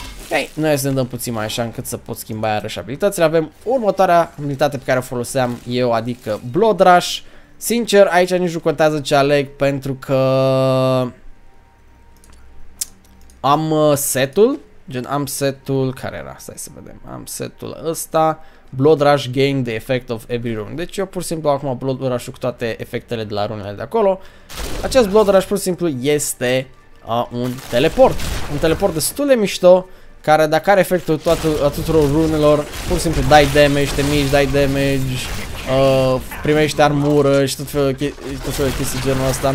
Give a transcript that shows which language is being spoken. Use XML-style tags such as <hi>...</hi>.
<ro>Hei, noi să ne dăm puțin mai așa încât să pot schimba iarăși abilitățile. Avem următoarea abilitate pe care o foloseam eu, adică Blood Rush. Sincer, aici nici nu contează ce aleg, pentru că am setul. Gen, am setul, care era? Stai să vedem. Am setul ăsta.</ro> <en>Blood Rush gain the effect of every rune.</en> <ro>Deci eu pur și simplu acum Blood Rush-ul cu toate efectele de la runele de acolo. Acest Blood Rush pur și simplu este un teleport. Un teleport destul de mișto, care dacă are efectul tuturor runelor, pur și simplu dai damage, te miști, dai damage, primește armură și tot felul de chestii genul ăsta.</ro>